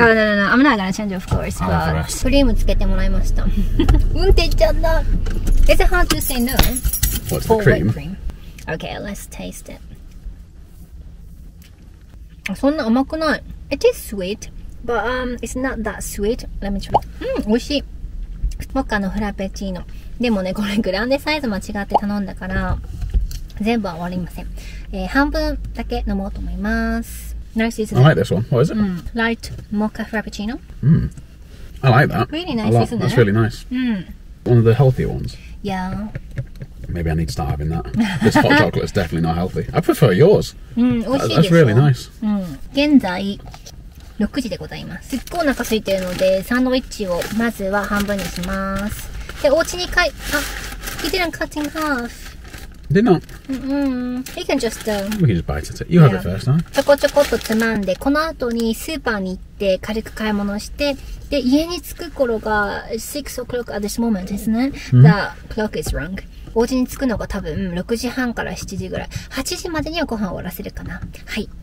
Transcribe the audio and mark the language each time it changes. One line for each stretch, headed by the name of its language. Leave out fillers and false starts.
English: Oh, no, I'm not gonna change, of course, but
Japanese: クリームつけてもらいました。運転ちゃんだ。
English: It's hard to say no. What's the cream? Okay, let's taste it.
Japanese: そんな甘くない。
English: It is sweet, but it's not that sweet. Let me try.
Japanese: 美味しい。スポッカのフラペチーノ。でもね、これグランデサイズ間違って頼んだから、全部は終わりません。半分だけ飲もうと思います。
English: Nice, isn't it? I like this one. What is it? Mm. Light mocha frappuccino. Mm. I like that. Really nice, isn't it? That's really nice. Mm. One of the healthier ones. Yeah. Maybe I need to start having that. This hot chocolate is definitely not healthy. I prefer yours. That's really nice.
Japanese: Mm. 現在6時でございます。すっごいお腹空いてるので、サンドイッチをまずは半分にします。で、お家に帰っ、あ、
English: you didn't cut in half. Did not. Mm-mm. You can just, We can just bite at it. You have it first, huh?
Japanese: ちょこちょこっとつまんで、この後にスーパーに行って軽く買い物して、で、家に着く頃が
English: 6 o'clock at this moment, isn't it? Mm-hmm. The clock is wrong.
Japanese: お家に着くのが多分6時半から7時ぐらい。8時までにはご飯を終わらせるかな。はい。